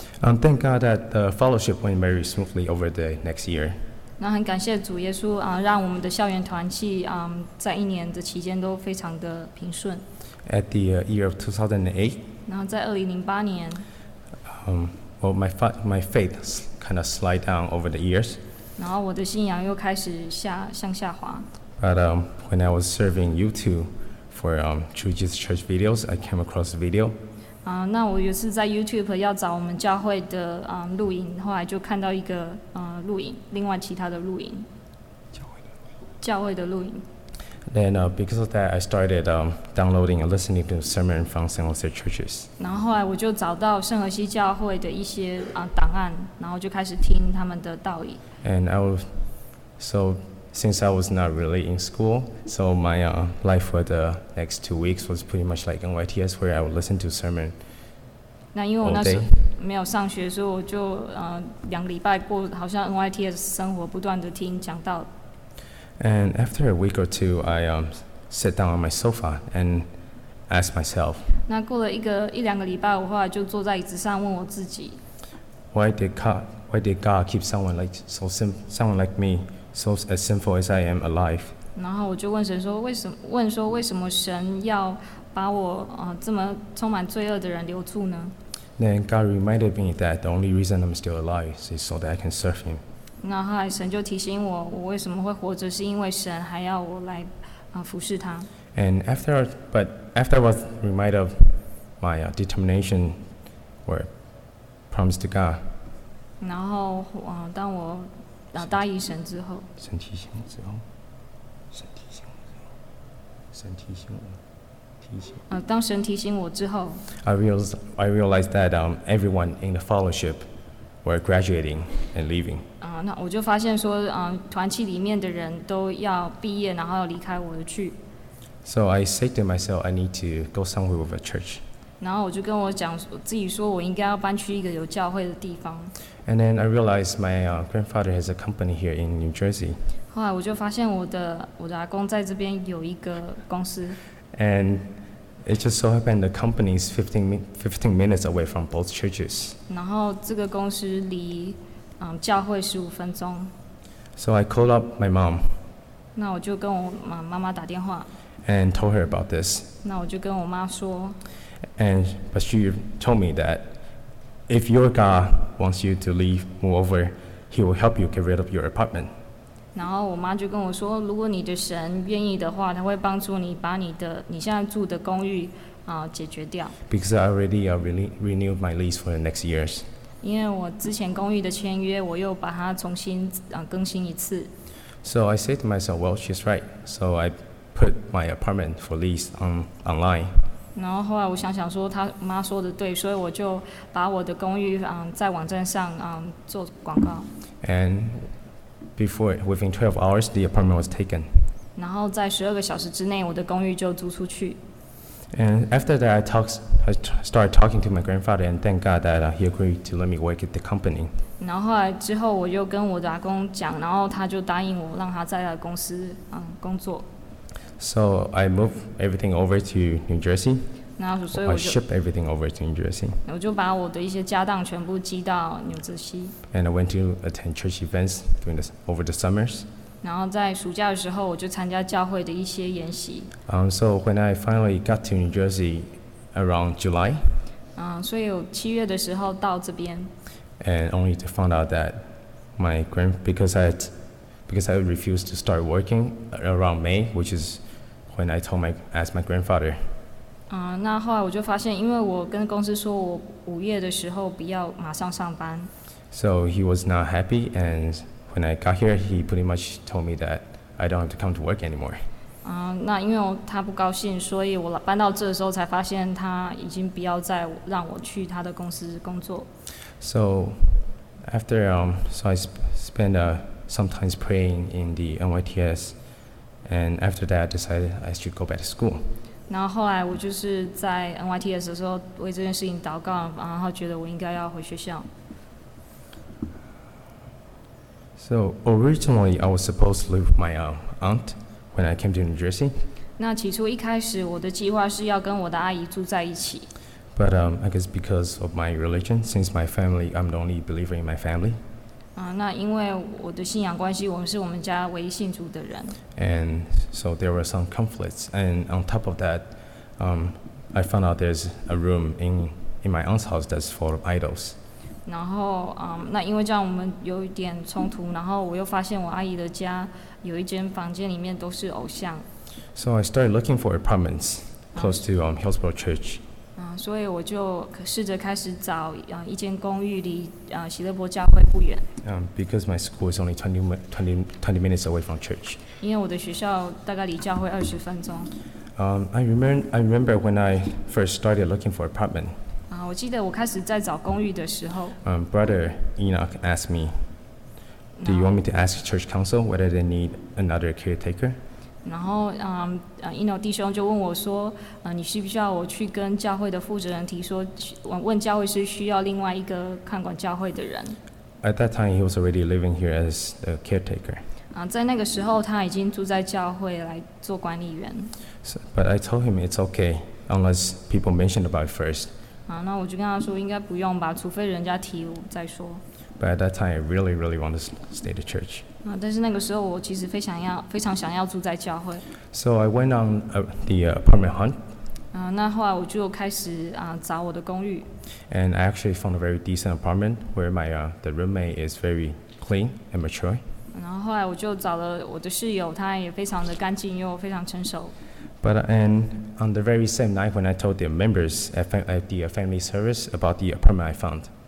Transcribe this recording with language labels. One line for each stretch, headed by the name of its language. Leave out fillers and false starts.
English: Thank God that the fellowship went very smoothly over the next year.
Chinese: 那很感谢主耶稣让我们的校园团契在一年的期间都非常的平顺。
English: At the year of 2008.
Chinese: 然后在2008年。
English: My faith kind of slid down over the years.
Chinese: 然后我的信仰又开始向下滑。
English: But when I was serving you two. For True Jesus Church videos, I came across a video.
Chinese: 那我有次在 YouTube 要找我们教会的录影，后来就看到一个录影，另外其他的录影。教会的录影。
English: Then because of that, I started downloading and listening to sermon from San Jose churches.
Chinese: 然后后来我就找到圣何西教会的一些档案，然后就开始听他们的道理。
English: And I was so. Since I was not really in school, so my life for the next 2 weeks was pretty much like NYTS, where I would listen to sermon all day.
Chinese: 那因为我那时没有上学，所以我就两礼拜过好像 NYTS 生活，不断的听讲道。
English: And after a week or two, I sat down on my sofa and asked myself.
Chinese: 那过了一两个礼拜，我后来就坐在椅子上问我自己。
English: Why did God keep someone like me? So as sinful as I am alive.
Chinese: 然后我就问神说，为什么神要把我这么充满罪恶的人留住呢？
English: Then God reminded me that the only reason I'm still alive is so that I can serve Him.
Chinese: 然后后来神就提醒我，我为什么会活着，是因为神还要我来服侍他。
English: And after I was reminded of my determination or promise to God.
Chinese: 然后当我答应神之后，神提醒我之后，神提醒我之后，神提醒我，提醒我。当神提醒我之后
English: ，I realized that everyone in the fellowship were graduating and leaving.
Chinese: 那我就发现说，团契里面的人都要毕业，然后离开我而去。
English: So I said to myself, I need to go somewhere with a church.
Chinese: 然后我就跟我讲自己说，我应该要搬去一个有教会的地方。
English: And then I realized my grandfather has a company here in New Jersey.
Chinese: 后来我就发现我的阿公在这边有一个公司。
English: And it just so happened the company is 15 minutes away from both churches.
Chinese: 然后这个公司离教会十五分钟。
English: So I called up my mom.
Chinese: 那我就跟我妈妈打电话。
English: And told her about this.
Chinese: 那我就跟我妈说。
English: And but she told me that if your God wants you to leave, move over, He will help you get rid of your apartment.
Chinese: 然后我妈就跟我说，如果你的神愿意的话，他会帮助你把你现在住的公寓解决掉。
English: Because I already renewed my lease for the next years.
Chinese: 因为我之前公寓的签约，我又把它重新更新一次。
English: So I said to myself, well, she's right. So I put my apartment for lease online.
Chinese: 然后后来我想想说，她妈说的对，所以我就把我的公寓在网站上做广告。
English: And before, within 12 hours, the apartment was taken.
Chinese: 然后在12个小时之内，我的公寓就租出去。
English: And after that, I started talking to my grandfather and thank God that he agreed to let me work at the company.
Chinese: 然后后来之后，我又跟我的阿公讲，然后他就答应我，让他在他的公司工作。
English: So I moved everything over to New Jersey.
Chinese: 然后所以我就
English: I shipped everything over to New Jersey.
Chinese: 我就把我的一些家当全部寄到纽泽西。
English: And I went to attend church events during over the summers.
Chinese: 然后在暑假的时候，我就参加教会的一些研习。
English: So when I finally got to New Jersey around July.
Chinese: 所以我七月的时候到这边。
English: And only to find out that because I refused to start working around May, which is when I asked my grandfather.
Chinese: 那后来我就发现，因为我跟公司说我五月的时候不要马上上班。
English: So he was not happy, and when I got here, he pretty much told me that I don't have to come to work anymore.
Chinese: 那因为他不高兴，所以我搬到这的时候才发现他已经不要再让我去他的公司工作。
English: So after, I spent sometimes praying in the NYTS, and after that, I decided I should go back to school.
Chinese: 然后后来我就是在 NYTS 的时候为这件事情祷告，然后觉得我应该要回学校。
English: So originally, I was supposed to live with my aunt when I came to New Jersey.
Chinese: 那起初一开始，我的计划是要跟我的阿姨住在一起。
English: But I guess because of my religion, since my family, I'm the only believer in my family.
Chinese: 那因为我的信仰关系，我们是我们家唯一信主的人。
English: And so there were some conflicts. And on top of that, I found out there's a room in my aunt's house that's full of idols.
Chinese: 然后，那因为这样我们有一点冲突，然后我又发现我阿姨的家有一间房间里面都是偶像。
English: So I started looking for apartments close to Hillsboro Church.
Chinese: 所以我就试着开始找一间公寓离喜乐伯教会不远。
English: Because my school is only 20 minutes away from church.
Chinese: 因为我的学校大概离教会二十分钟。
English: I remember when I first started looking for apartment.
Chinese: 我记得我开始在找公寓的时候。
English: Brother Enoch asked me, "Do you want me to ask church council whether they need another caretaker?"
Chinese: 然后Enoch 弟兄就问我说，你需不需要我去跟教会的负责人提说，问教会是需要另外一个看管教会的人。
English: At that time, he was already living here as a caretaker.
Chinese: 在那个时候，他已经住在教会来做管理员。
English: But I told him it's okay unless people mention about it first.
Chinese: 那我就跟他说应该不用吧，除非人家提我再说。
English: But at that time, I really, really wanted to stay at church.
Chinese: 但是那个时候我其实非常想要住在教会。
English: So I went on the apartment hunt.
Chinese: 那后来我就开始找我的公寓。
English: And I actually found a very decent apartment where my the roommate is very clean and mature.
Chinese: 然后后来我就找了我的室友，他也非常的干净又非常成熟。
English: But and on the very same night when I told the members at the family service about the apartment I found.